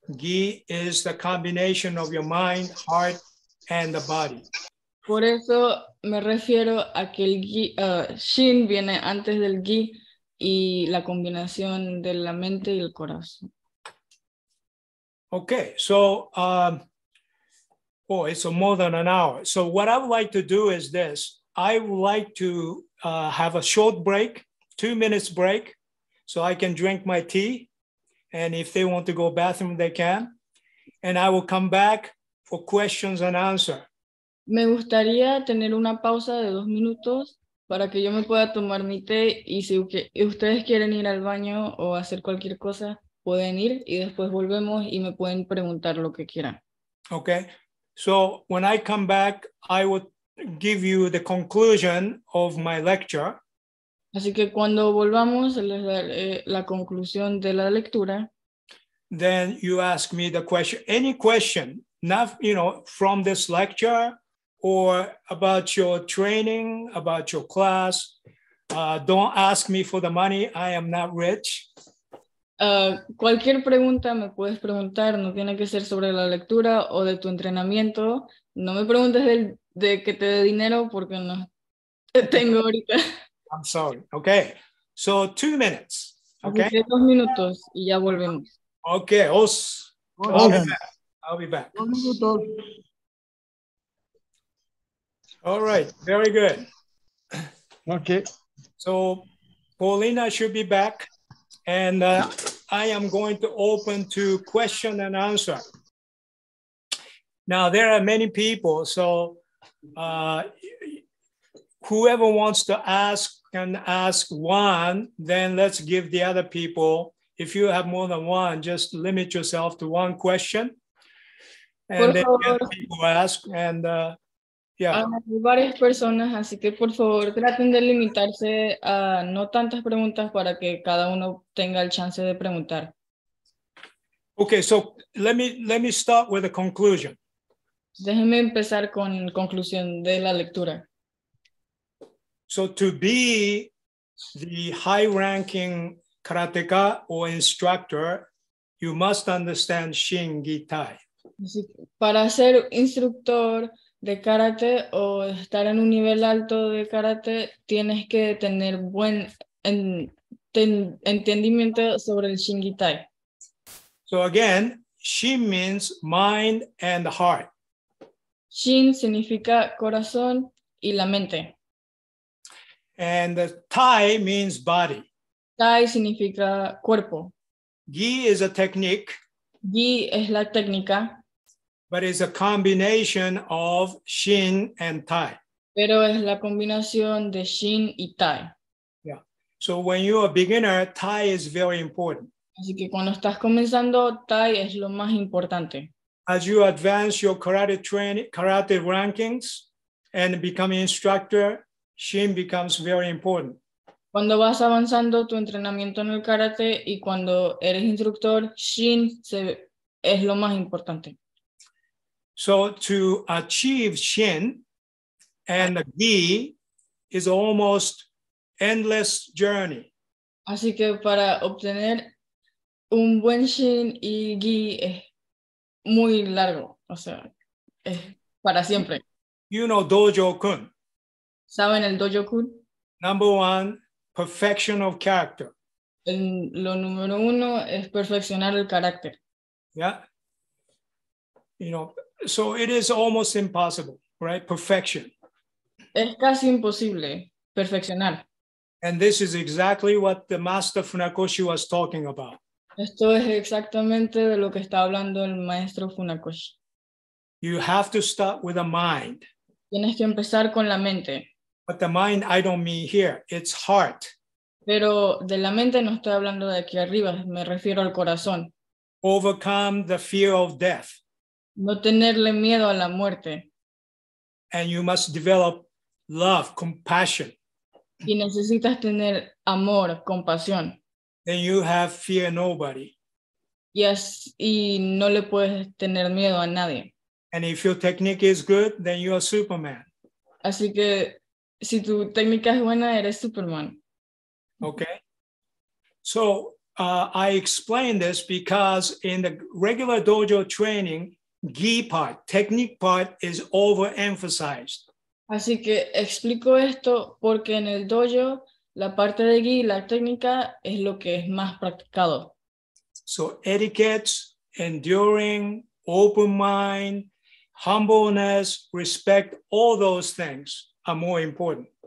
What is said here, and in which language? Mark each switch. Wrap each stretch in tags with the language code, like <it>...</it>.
<en>Gi is the combination of your mind, heart, and the body.</en> <es>Por eso me refiero a que el gi, shin viene antes del gi y la combinación de la mente y el corazón.</es> <en>Okay, so, it's more than an hour. So what I would like to do is this. I would like to have a short break, 2 minutes break, so I can drink my tea. And if they want to go bathroom, they can. And I will come back for questions and answer.</en> <es>Me gustaría tener una pausa de 2 minutos para que yo me pueda tomar mi té. Y si ustedes quieren ir al baño o hacer cualquier cosa, pueden ir y después volvemos y me pueden preguntar lo que quieran.</es> <en>Okay. So when I come back, I will give you the conclusion of my lecture.</en> <es>Así que cuando volvamos, les daré la conclusión de la lectura.</es> <en>Then you ask me the question, any question, not, you know, from this lecture or about your training, about your class. Don't ask me for the money. I am not rich.</en> <es>Cualquier pregunta me puedes preguntar, no tiene que ser sobre la lectura o de tu entrenamiento. No me preguntes de que te dé dinero porque no te tengo ahorita.</es> <en>I'm sorry. Okay. So 2 minutes. Okay.</en> <es>Así que 2 minutos y ya volvemos.</es> <en>Okay. Os. Okay. I'll be back.</en> <es>2 minutos.</es> <en>All right. Very good. Okay. So Paulina should be back. And I am going to open to question and answer. Now, there are many people, so whoever wants to ask can ask one, then let's give the other people. If you have more than one, just limit yourself to one question. And then the other people ask, and yeah.</en> <es>Hay varias personas, así que por favor traten de limitarse a no tantas preguntas para que cada uno tenga el chance de preguntar.</es> <en>Okay, so let me start with the conclusion.</en> <es>Déjenme empezar con conclusión de la lectura.</es> <en>So to be the high-ranking karateka or instructor, you must understand Shin Gi Tai.</en> <es>Para ser instructor de karate o estar en un nivel alto de karate, tienes que tener buen entendimiento sobre el Shin Gi Tai.</es> <en>So again, Shin means mind and heart.</en> <es>Shin significa corazón y la mente.</es> <en>And Tai means body.</en> <es>Tai significa cuerpo.</es> <en>Gi is a technique.</en> <es>Gi es la técnica.</es> <en>But it's a combination of Shin and Tai.</en> <es>Pero es la combinación de Shin y Tai.</es> <en>Yeah. So when you're a beginner, Tai is very important.</en> <es>Así que cuando estás comenzando, Tai es lo más importante.</es> <en>As you advance your karate training, karate rankings, and become instructor, Shin becomes very important.</en> <es>Cuando vas avanzando tu entrenamiento en el karate y cuando eres instructor, Shin es lo más importante.</es> <en>So to achieve Shin and Gi is almost endless journey.</en> <es>Así que para obtener un buen Shin y Gi es muy largo, o sea, es para siempre.</es> <en>You know dojo-kun.</en> <es>¿Saben el dojo-kun?</es> <en>Number one, perfection of character.</en> <es>Lo número uno es perfeccionar el carácter.</es> <en>Yeah. You know, so it is almost impossible, right? Perfection.</en> <es>Es casi imposible perfeccionar.</es> <en>And this is exactly what the Master Funakoshi was talking about.</en> <es>Esto es exactamente de lo que está hablando el Maestro Funakoshi.</es> <en>You have to start with a mind.</en> <es>Tienes que empezar con la mente.</es> <en>But the mind, I don't mean here. It's heart.</en> <es>Pero de la mente no estoy hablando de aquí arriba. Me refiero al corazón.</es> <en>Overcome the fear of death.</en> <es>No tenerle miedo a la muerte.</es> <en>And you must develop love, compassion.</en> <es>Y necesitas tener amor, compasión.</es> <en>Then you have fear nobody.</en> <es>Yes, y no le puedes tener miedo a nadie.</es> <en>And if your technique is good, then you are Superman.</en> <es>Así que si tu técnica es buena, eres Superman.</es> <en>Okay. So I explain this because in the regular dojo training, Gi part, technique part is overemphasized.</en> <es>Así que explico esto porque en el dojo la parte de Gi, la técnica, es lo que es más practicado.</es> <en>So etiquettes, enduring, open mind, humbleness, respect, all those things are more important.</en>